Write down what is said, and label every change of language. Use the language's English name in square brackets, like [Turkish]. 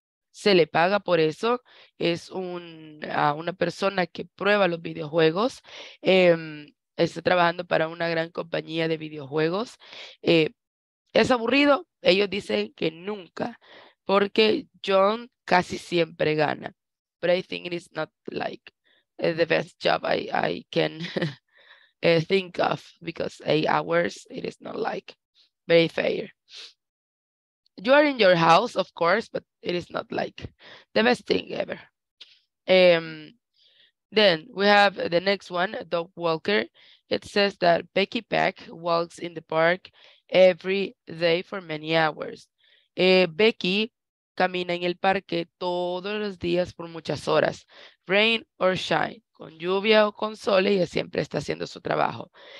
[Spanish] Se le paga por eso. Es una persona que prueba los videojuegos. Está trabajando para una gran compañía de videojuegos. ¿Es aburrido? Ellos dicen que nunca, porque John casi siempre gana. [English] But I think it is not like the best job I can think of, because 8 hours, it is not like very fair. You are in your house, of course, but it is not like the best thing ever. Then we have the next one, dog walker. It says that Becky Peck walks in the park every day for many hours. [Spanish] Becky camina en el parque todos los días por muchas horas, [English] rain or shine, [Spanish] con lluvia o con sol, ella siempre está haciendo su trabajo.